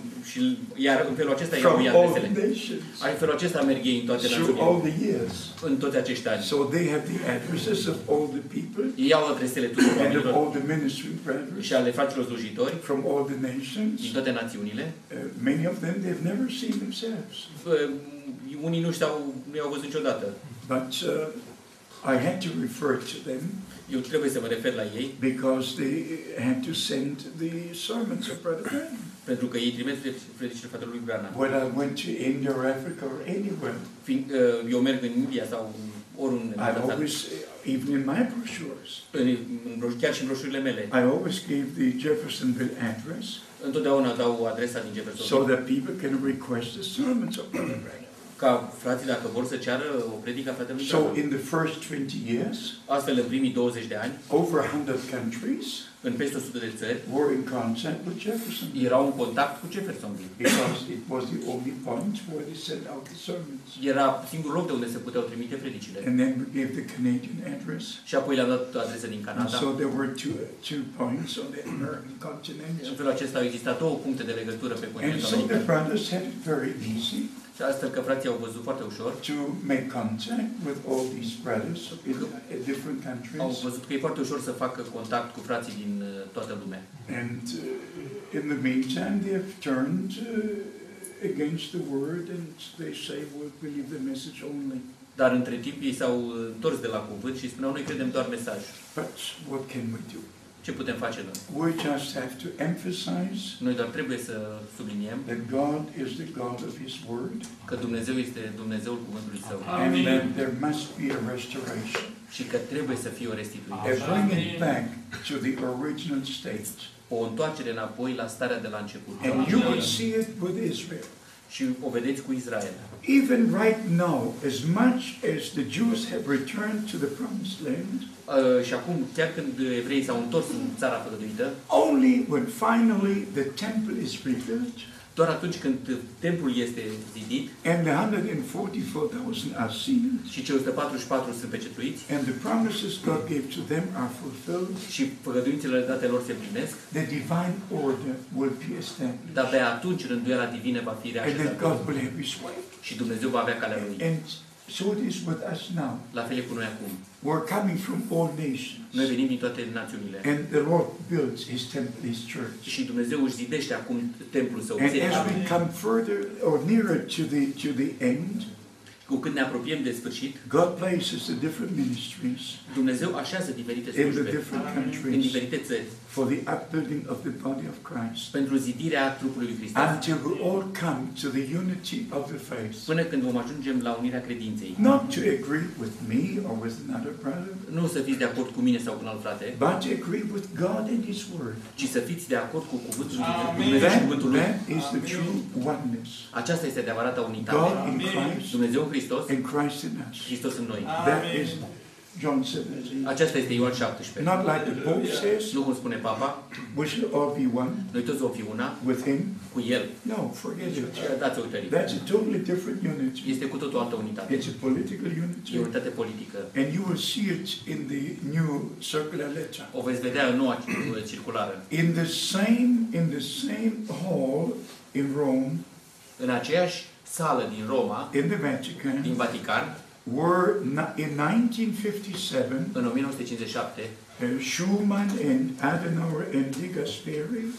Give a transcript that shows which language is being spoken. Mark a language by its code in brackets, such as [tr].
[ro] Și iar în felul acesta iau adresele. În felul acesta merg ei în toate națiunile. În toți acești ani. [en] So they have the addresses of all the people. [ro] Ei au adresele tuturor oamenilor. [en] And all the ministry brothers. [ro] Și ale fraților slujitori. [en] From all the nations. [ro] Din toate națiunile. [en] Many of them they've never seen themselves. [ro] Unii nu i-au văzut niciodată. [en] But I had to refer to them. [ro] Eu trebuie să mă refer la ei. [en] Because they had to send the sermons of Brother Branham. [ro] pentru că ei trimis predicile fratelui Branham. [en] When I went to India or Africa or anywhere. [ro] Eu merg în India sau oriunde. [en] I always, even in my brochures. [ro] Chiar și în broșurile mele. [en] I always gave the Jeffersonville address. [ro] Întotdeauna dau adresa din Jeffersonville. [en] So that people can request the sermons of Brother Branham. [ro] Ca frații dacă vor să ceară o predică fratelui Branham. [en] So in the first 20 years. [ro] Astfel în primii 20 de ani. [en] Over 100 countries. [ro] În peste 100 de țări, [en] were in contact with Jefferson. [ro] Erau în contact cu Jeffersonville. [en] Because it was the only point where they sent out the sermons. [ro] Era singurul loc de unde se puteau trimite predicile. [en] And then we gave the Canadian address. [ro] Și apoi le-am dat adresa din Canada. [en] So there were two points on the American continent. [ro] În felul acesta au existat două puncte de legătură pe continentul american. [en] And so the brothers had it very easy. [ro] Și astfel că frații au văzut foarte ușor. [en] To make contact with all these brothers in different countries. [ro] Au văzut că e foarte ușor să facă contact cu frații din toată lumea. [en] And in the meantime, they have turned against the word and they say we believe the message only. [ro] Dar între timp ei s-au întors de la cuvânt și spuneau noi credem doar mesajul. [en] But what can we do? [ro] Ce putem face noi? [en] We just have to emphasize. [ro] Noi doar trebuie să subliniem. [en] That God is the God of His Word. [ro] Că Dumnezeu este Dumnezeul cuvântului Său. [en] And that there must be a restoration. [ro] Și că trebuie să fie o restituire. [en] Bring it back to the original state. [ro] O întoarcere înapoi la starea de la început. [en] And you will see it with Israel. [ro] Și o vedeți cu Israel. [en] Even right now, as much as the Jews have returned to the Promised Land. [ro] Și acum, chiar când evreii s-au întors în țara făgăduită, [en] only when finally the temple is rebuilt, [ro] doar atunci când templul este zidit, [en] and the 144,000 are sealed, [ro] și cei 144,000 sunt pecetuiți, [en] and the promises God gave to them are fulfilled, [ro] și făgăduințele date lor se împlinesc, [en] the divine order will be established, [ro] dar abia atunci rânduiala divină va fi reașezată, [en] and then God will have His way, [ro] și Dumnezeu va avea calea lui. [en] So it is with us now. [ro] La fel e cu noi acum. [en] We're coming from all nations. [ro] Noi venim din toate națiunile. [en] And the Lord builds His temple, His church. [ro] Și Dumnezeu își zidește acum templul său. [en] And as we come further or nearer to the end, [ro] cu cât ne apropiem de sfârșit, [en] God places the different ministries. [ro] Dumnezeu așează diferite slujbe. [en] In the different countries. [ro] În diferite țări. [en] For the upbuilding of the body of Christ. [ro] Pentru zidirea trupului lui Hristos. [en] Until we all come to the unity of the faith. [ro] Până când vom ajungem la unirea credinței. [en] Not to agree with me or with another brother. [ro] Nu să fiți de acord cu mine sau cu un alt frate. [en] But to agree with God and His Word. [ro] Ci să fiți de acord cu cuvântul lui Dumnezeu și cuvântul lui. [en] That is the true oneness. [ro] Aceasta este adevărata unitate. [en] God in Christ. [ro] Dumnezeu în Hristos. [en] And Christ in us. [ro] Hristos în noi. [en] That is John 17. [ro] Aceasta este Ioan 17. [en] Not like the Pope says. [ro] Nu cum spune Papa. [en] We shall all be one. [ro] Noi toți vom fi una. [en] With Him. [ro] Cu El. [en] No, forget it. [ro] Dați uitării. [en] That's a totally different unity. [ro] Este cu totul altă unitate. [en] It's a political unity. [ro] E o unitate politică. [en] And you will see it in the new circular letter. [ro] O veți vedea în noua circulară. [en] In the same hall in Rome. [ro] În aceeași sală din Roma. [en] In the Vatican. [ro] Din Vatican. [en] Were in 1957, Schumann and Adenauer and De Gasperi,